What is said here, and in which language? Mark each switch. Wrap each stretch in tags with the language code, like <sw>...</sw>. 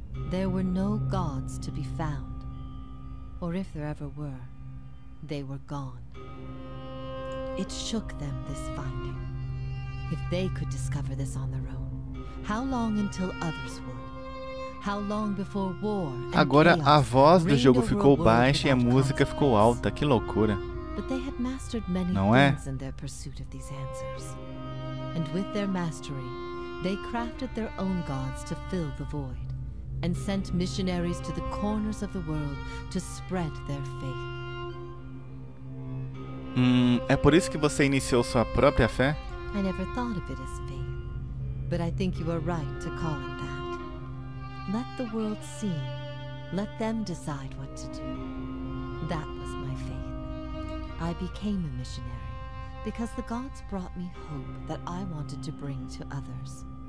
<en>There were no gods to be found. Or if there ever were, they were gone. It shook them, this finding. If they could discover this on their own, how long until others would? How long before war?</en> <pt>Agora a voz do jogo ficou baixa e a música ficou alta. Que loucura.</pt> <en>But they had mastered many things in their pursuit of these answers. and with their mastery, they crafted their own gods to fill the void, and sent missionaries to the corners of the world to spread their faith.</en> <pt>É por isso que você iniciou sua própria fé?</pt> <en>I never thought of it as faith, but I think you are right to call it that. Let the world see. Let them decide what to do. That was my faith. I became a missionary because the gods brought me hope that I wanted to bring to others.</en>